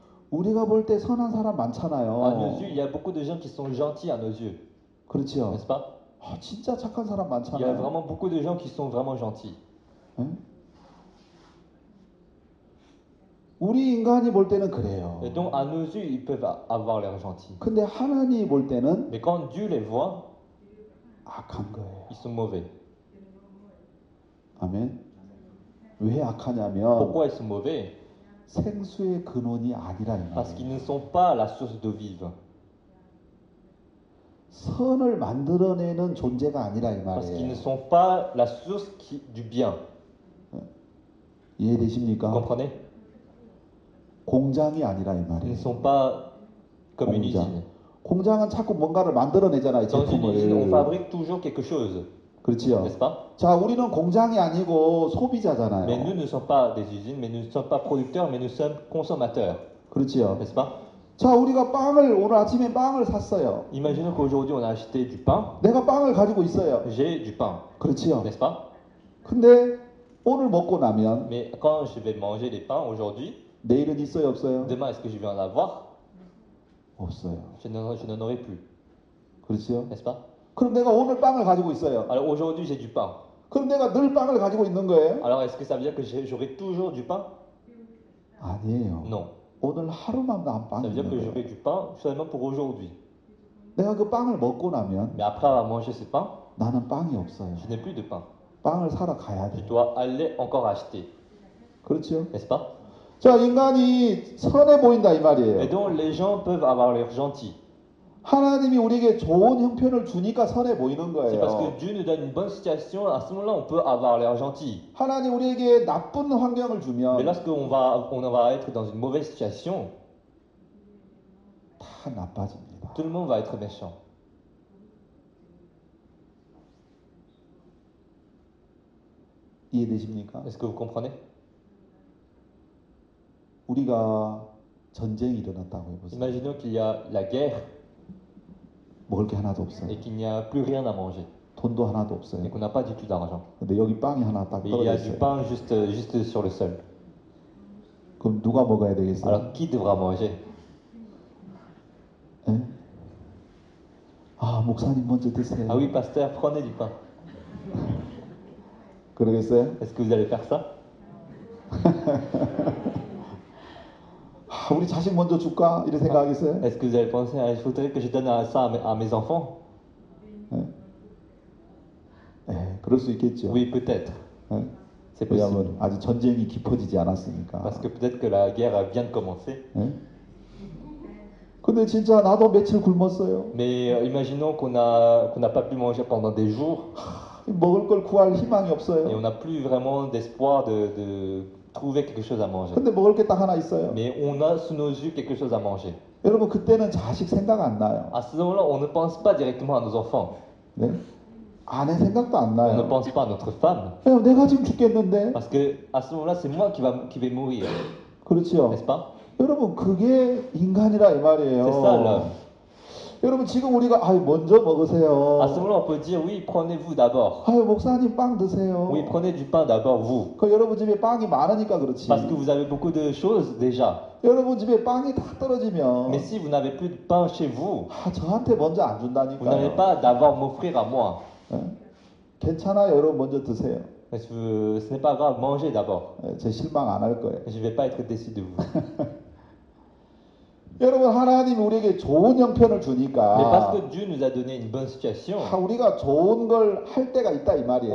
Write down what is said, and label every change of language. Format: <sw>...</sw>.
<ko>우리가 볼 때 선한 사람 많잖아요.</ko> <fr>À nos yeux, il y a beaucoup de gens qui sont gentils à nos yeux.</fr> <ko>그렇죠.</ko> <fr>N'est-ce pas?</fr> <ko>아, 진짜 착한 사람 많잖아요.</ko> <fr>Il y a vraiment beaucoup de gens qui sont vraiment gentils.</fr> <ko>우리 인간이 볼 때는 그래요.</ko> <fr>Et donc à nos yeux, ils peuvent avoir l'air gentils.</fr> <ko>근데 하나님이 볼 때는</ko> <fr>Mais quand Dieu les voit,</fr> <ko>악한 거예요.</ko> <fr>Ils sont mauvais.</fr> <ko>아멘. 왜 악하냐면</ko> <fr>Pourquoi ils sont mauvais?</fr> <ko>생수의 근원이 아니라 이 말이에요.</ko> <fr>Parce qu'ils ne sont pas la source d'eau vive.</fr> <ko>선을 만들어내는 존재가 아니라 이 말이에요.</ko> <fr>Parce qu'ils ne sont pas la source du bien.</fr> <ko>이해되십니까?</ko> <fr>Comprenez?</fr> <ko>공장이 아니라 이 말이에요.</ko> <fr>Ils ne sont pas comme une usine.</fr> <ko>공장은 자꾸 뭔가를 만들어내잖아요, 제품을.</ko> <fr>Dans une usine, on fabrique toujours quelque chose.</fr> <ko>그렇지요. 자, 우리는 공장이 아니고 소비자잖아요.</ko> <fr>Mais nous ne sommes pas des usines, mais nous ne sommes pas producteurs, mais nous sommes consommateurs.</fr> <ko>그렇지요.</ko> <fr>N'est-ce pas?</fr> <ko>자, 우리가 빵을 오늘 아침에 빵을 샀어요.</ko> <fr>Imaginons qu'aujourd'hui on a acheté du pain.</fr> <ko>내가 빵을 가지고 있어요.</ko> <fr>J'ai du pain.</fr> <ko>그렇지요.</ko> <fr>N'est-ce pas?</fr> <ko>근데 오늘 먹고 나면</ko> <fr>Mais quand je vais manger les pains aujourd'hui?</fr> <ko>내일은 있어요, 없어요?</ko> <fr>Demain est-ce que je vais en avoir?</fr> <ko>없어요.</ko> <fr>Je n'en aurai plus.</fr> <ko>그렇지요.</ko> <fr>N'est-ce pas?</fr> <ko>그럼 내가 오늘 빵을 가지고 있어요.</ko> <fr>Alors aujourd'hui j'ai du pain.</fr> <ko>그럼 내가 늘 빵을 가지고 있는 거예요?</ko> <fr>Alors est-ce que ça veut dire que j'aurai toujours du pain?</fr> <ko>아니에요.</ko> <fr>Non.</fr> <ko>오늘 하루만 난 빵.</ko> <fr>Ça veut dire que j'aurai du pain seulement pour aujourd'hui.</fr> <ko>내가 그 빵을 먹고 나면</ko> <fr>Mais après avoir mangé ce pain,</fr> <ko>나는 빵이 없어요.</ko> <fr>Je n'ai plus de pain.</fr> <ko>빵을 사러 가야 돼.</ko> <fr>Je dois aller encore acheter.</fr> <ko>그렇죠.</ko> <fr>N'est-ce pas?</fr> <ko>자, 인간이 선해 보인다 이 말이에요.</ko> <fr>Et donc les gens peuvent avoir l'air gentil.</fr> <ko>하나님이 우리에게 좋은 형편을 주니까 선해 보이는 거예요.</ko> <fr>C'est parce que Dieu nous donne une bonne situation, à ce moment-là, on peut avoir l'air gentil.</fr> <ko>하나님 우리에게 나쁜 환경을 주면,</ko> <fr>Mais lorsque on va être dans une mauvaise situation,</fr> <ko>다 나빠집니다.</ko> <fr>Tout le monde va être méchant.</fr> <ko>이해되십니까?</ko> <fr>Est-ce que vous comprenez?</fr> <ko>우리가 전쟁이 일어났다고 해보세요.</ko> <fr>Imaginons qu'il y a la guerre.</fr> <ko>먹을 게 하나도 없어요.</ko> <fr>Et qu'il n'y a plus rien à manger.</fr> <ko>돈도 하나도 없어요.</ko> <fr>Et qu'on n'a pas du tout d'argent.</fr> <ko>근데 여기 빵이 하나 딱 떨어져 있어요.</ko> <fr>Il y a du pain juste sur le sol.</fr> <ko>그럼 누가 먹어야 되겠어요?</ko> <fr>Alors qui devra manger?</fr> <ko>아, 목사님 먼저 드세요.</ko> <fr>Ah oui, pasteur, prenez du pain.</fr> <ko>그러겠어요?</ko> <fr>Est-ce que vous allez faire ça?</fr> <ko>우리 자식 먼저 줄까? 이런 생각하겠어요?</ko> <fr>Est-ce que vous avez pensé à je voudrais que je donne ça à mes enfants?</fr> <ko>네. 네, 그럴 수 있겠죠.</ko> <fr>Oui, peut-être.</fr> <ko>네.</ko> <fr>C'est possible.</fr> <ko>아직 전쟁이 깊어지지 않았으니까.</ko> <fr>Parce que peut-être que la guerre a bien commencé.</fr> <ko>근데 진짜 나도 며칠 굶었어요.</ko> <fr>Mais imaginons qu'on a pas pu manger pendant des jours.</fr> <ko>먹을 걸 구할 희망이 없어요.</ko> <fr>Et on a plus vraiment d'espoir de trouver quelque chose à manger.</fr> <ko>근데 먹을 게 딱 하나 있어요.</ko> <fr>Mais on a sous nos yeux quelque chose à manger.</fr> <ko>여러분 그때는 자식 생각 안 나요.</ko> <fr>À ce moment-là, on ne pense pas directement à nos enfants.</fr> <ko>네? 아내 생각도 안 나요.</ko> <fr>On ne pense pas à notre femme.</fr> <ko>내가 지금 죽겠는데.</ko> <fr>Parce que à ce moment-là, c'est moi qui vais mourir.</fr> <ko>그렇죠.</ko> <fr>N'est-ce pas?</fr> <ko>여러분 그게 인간이라 이 말이에요.</ko> <fr>C'est ça, l'homme.</fr> <ko>여러분 지금 우리가 아유 먼저 먹으세요.</ko> <fr>À ce moment-là, on peut dire oui, prenez-vous d'abord.</fr> <ko>아유 목사님 빵 드세요.</ko> <fr>Oui, prenez du pain d'abord, vous.</fr> <ko>그 여러분 집에 빵이 많으니까 그렇지.</ko> <fr>Parce que vous avez beaucoup de choses déjà.</fr> <ko>여러분 집에 빵이 다 떨어지면.</ko> <fr>Mais si vous n'avez plus de pain chez vous.</fr> <ko>아 저한테 먼저 안 준다니까.</ko> <fr>Vous n'avez pas d'abord m'offrir à moi.</fr> <ko>괜찮아요, 여러분 먼저 드세요.</ko> <fr>Mais ce n'est pas grave, mangez d'abord.</fr> <ko>제 실망 안 할 거예요.</ko> <fr>Je vais pas être déçu de vous.</fr> <ko>여러분 하나님이 우리에게 좋은 형편을 주니까</ko> <fr>parce que Dieu nous a donné une bonne situation,</fr> <ko>우리가 좋은 걸 할 때가 있다 이 말이에요.</ko>